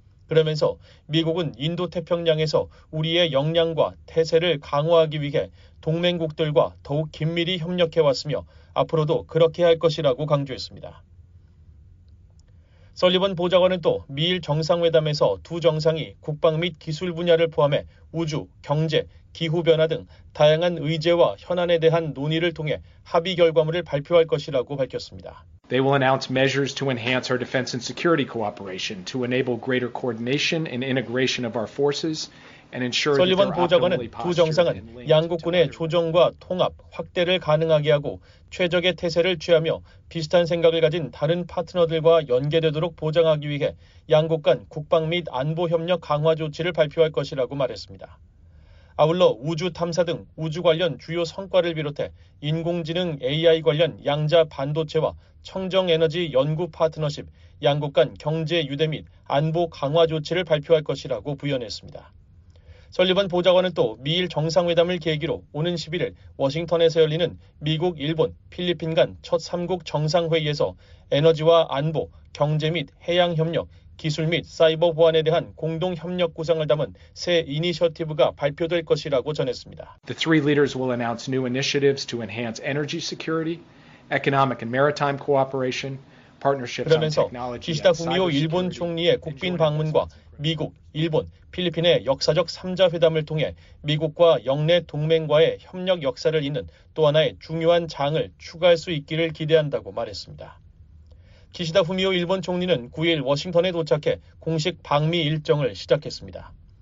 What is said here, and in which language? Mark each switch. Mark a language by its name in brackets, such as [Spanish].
[Korean] 그러면서 미국은 인도태평양에서 우리의 역량과 태세를 강화하기 위해 동맹국들과 더욱 긴밀히 협력해왔으며 앞으로도 그렇게 할 것이라고 강조했습니다. 설리번 보좌관은 또 미일 정상회담에서 두 정상이 국방 및 기술 분야를 포함해 우주, 경제, 기후변화 등 다양한 의제와 현안에 대한 논의를 통해 합의 결과물을 발표할 것이라고 밝혔습니다. [English] They will announce measures to enhance our defense and security cooperation, to enable greater coordination and integration of our forces, and ensure that they're optimally postured. [Korean] 설리번 보좌관은 두 정상은 양국군의 조정과 통합, 확대를 가능하게 하고 최적의 태세를 취하며 비슷한 생각을 가진 다른 파트너들과 연계되도록 보장하기 위해 양국 간 국방 및 안보 협력 강화 조치를 발표할 것이라고 말했습니다. 아울러 우주 탐사 등 우주 관련 주요 성과를 비롯해 인공지능 AI 관련 양자 반도체와 청정에너지 연구 파트너십, 양국 간 경제 유대 및 안보 강화 조치를 발표할 것이라고 부연했습니다. 설리번 보좌관은 또 미일 정상회담을 계기로 오는 11일 워싱턴에서 열리는 미국, 일본, 필리핀 간 첫 3국 정상회의에서 에너지와 안보, 경제 및 해양협력, 기술 및 사이버 보안에 대한 공동 협력 구상을 담은 새 이니셔티브가 발표될 것이라고 전했습니다. [English] The three leaders will announce new initiatives to enhance energy security, economic and maritime cooperation, partnerships on technology and cyber security. [Korean] 그러면서 기시다 후미오 일본 총리의 국빈 방문과 미국, 일본, 필리핀의 역사적 3자 회담을 통해 미국과 영내 동맹과의 협력 역사를 잇는 또 하나의 중요한 장을 추가할 수 있기를 기대한다고 말했습니다. 기시다 후미오 일본 총리는 9일 워싱턴에 도착해 공식 방미 일정을 시작했습니다.